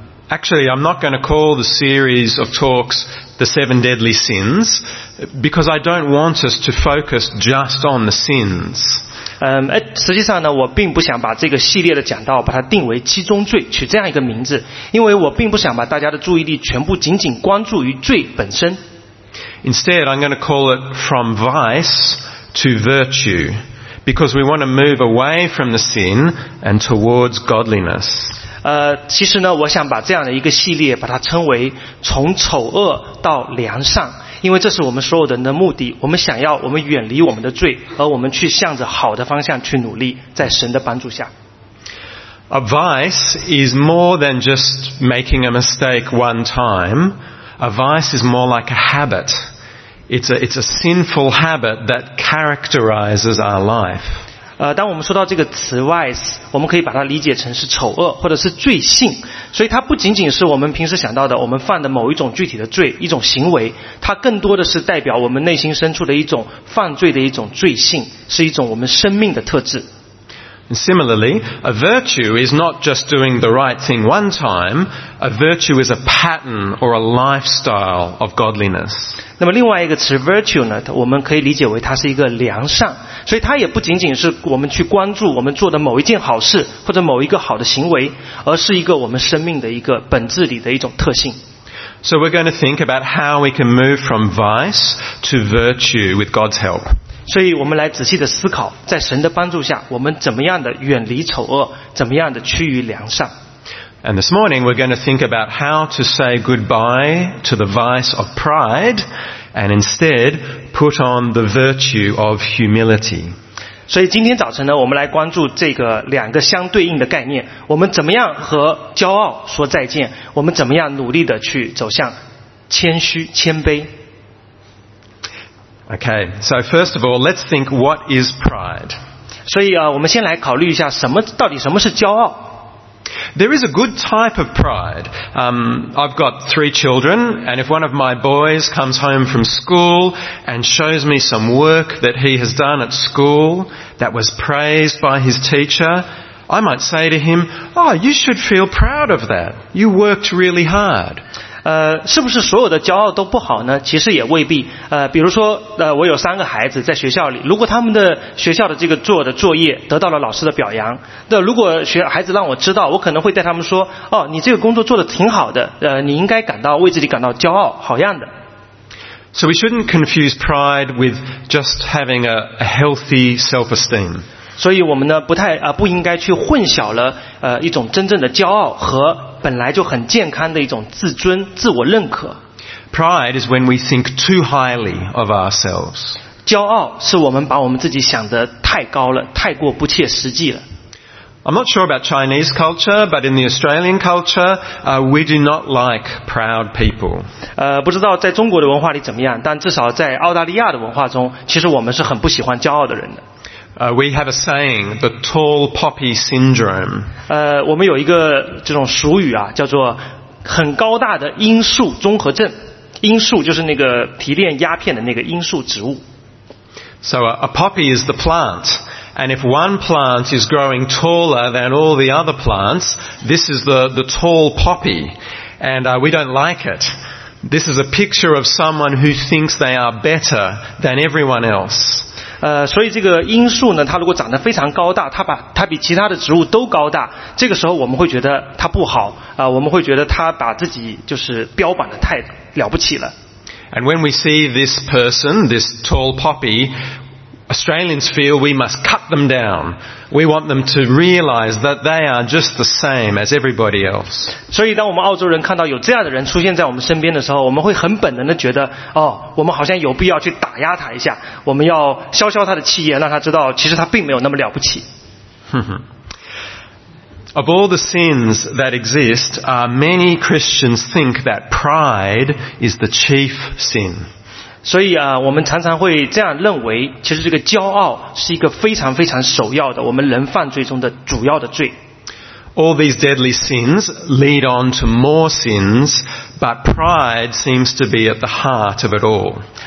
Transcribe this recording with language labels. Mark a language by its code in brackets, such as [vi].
[en] Actually, I'm not going to call the series of talks the seven deadly sins because I don't want us to focus just on the sins. [zh] 实际上呢我并不想把这个系列的讲道把它定为七宗罪取这样一个名字因为我并不想把大家的注意力全部仅仅关注于罪本身 [en] Instead, I'm going to call it from vice to virtue because we want to move away from the sin and towards godliness [zh] 其实呢我想把这样的一个系列把它称为从丑恶到良善因为这是我们所有人的目的我们想要我们远离我们的罪而我们去向着好的方向去努力在神的帮助下 [en] A vice is more than just making a mistake one time A vice is more like a habit It's a sinful habit that characterizes our life [zh] 当我们说到这个词 vice 我们可以把它理解成是丑恶或者是罪性所以它不仅仅是我们平时想到的我们犯的某一种具体的罪一种行为它更多的是代表我们内心深处的一种犯罪的一种罪性是一种我们生命的特质 [en] And similarly a virtue is not just doing the right thing one time a virtue is a pattern or a lifestyle of godliness [zh] 那么另外一个词 virtue 呢我们可以理解为它是一个良善所以它也不仅仅是我们去关注我们做的某一件好事或者某一个好的行为而是一个我们生命的一个本质里的一种特性 [en] So we're going to think about how we can move from vice to virtue with God's help [zh] 所以我们来仔细的思考在神的帮助下我们怎么样的远离丑恶怎么样的趋于良善 [en] And this morning we're going to think about how to say goodbye to the vice of prideAnd instead, put on the virtue of humility. [zh] 所以今天早晨呢，我们来关注这个两个相对应的概念。我们怎么样和骄傲说再见？我们怎么样努力的去走向谦虚、谦卑 [en] ？Okay, so first of all, let's think what is pride. [zh] 所以啊，我们先来考虑一下到底什么是骄傲。 [en] There is a good type of pride. I've got three children, and if one of my boys comes home from school and shows me some work that he has done at school that was praised by his teacher, I might say to him, "Oh, you should feel proud of that. You worked really hard." [zh] 是不是所有的骄傲都不好呢其实也未必比如说我有三个孩子在学校里如果他们的学校的这个做的作业得到了老师的表扬那如果孩子让我知道我可能会带他们说哦你这个工作做得挺好的你应该感到为自己感到骄傲好样的 [en] So we shouldn't confuse pride with just having a healthy self-esteem [zh] 所以我们呢不应该去混淆了一种真正的骄傲和本来就很健康的一种自尊自我认可 [en] Pride is when we think too highly of ourselves [zh] 骄傲是我们把我们自己想得太高了，太过不切实际了。 [en] I'm not sure about Chinese culture, but in the Australian culture, we do not like proud people. [zh] 不知道在中国的文化里怎么样，但至少在澳大利亚的文化中，其实我们是很不喜欢骄傲的人的。 [en] We have a saying, the tall poppy syndrome. [zh] 我们有一个这种俗语啊，叫做很高大的罂粟综合症。罂粟就是那个提炼鸦片的那个罂粟植物。 [en] So a poppy is the plant, and if one plant is growing taller than all the other plants, this is the tall poppy, and we don't like it. This is a picture of someone who thinks they are better than everyone else. [zh] 所以这个罂粟呢，它如果长得非常高大，它比其他的植物都高大，这个时候我们会觉得它不好，我们会觉得它把自己就是标榜的太了不起了。 [en] And when we see this person, this tall poppy, Australians feel we must cut them down. We want them to realize that they are just the same as everybody else. [zh] 所以当我们澳洲人看到有这样的人出现在我们身边的时候，我们会很本能的觉得，哦，我们好像有必要去打压他一下，我们要消消他的气焰，让他知道其实他并没有那么了不起。 [en] Of all the sins that exist, many Christians think that pride is the chief sin. [zh] 所以啊，我们常常会这样认为，其实这个骄傲是一个非常非常首要的，我们人犯罪中的主要的罪。 [en] All these deadly sins lead on to more sins, but pride seems to be at the heart of it all.